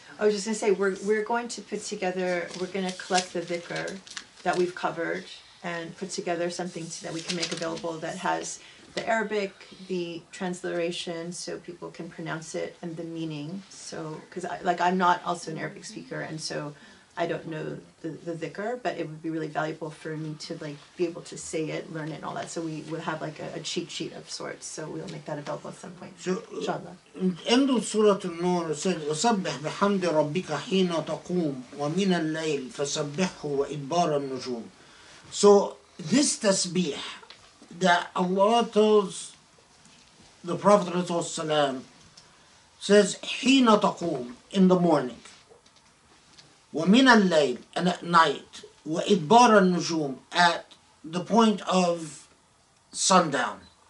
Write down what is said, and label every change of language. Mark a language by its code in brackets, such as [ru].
[en] I was just going to say, we're going to put together, we're going to collect the dhikr that we've covered and put together something that we can make available that has the Arabic, the transliteration, so people can pronounce it, and the meaning. So, because I'm not also an Arabic speaker, and so I don't know the dhikr, but it would be really valuable for me to like be able to say it, learn it, and all that. So we will have like a cheat sheet of sorts. So we'll make that available at some point. So, inshallah. End of Surah An-Nur said, [ar] وَسَبِّحْ بِحَمْدِ رَبِّكَ حِينَ تَقُومُ وَمِنَ اللَّيْلِ فَسَبِّحْهُ وَإِدْبَارَ النُّجُومِ. [en] So this tasbih that Allah tells the Prophet says, [ar] حِينَ تَقُومُ, [en] in the morning, [ar] وَمِنَ اللَّيْلِ, [en] and at night, [ar] وَإِدْبَارَ النُّجُومِ, [en] at the point of sundown.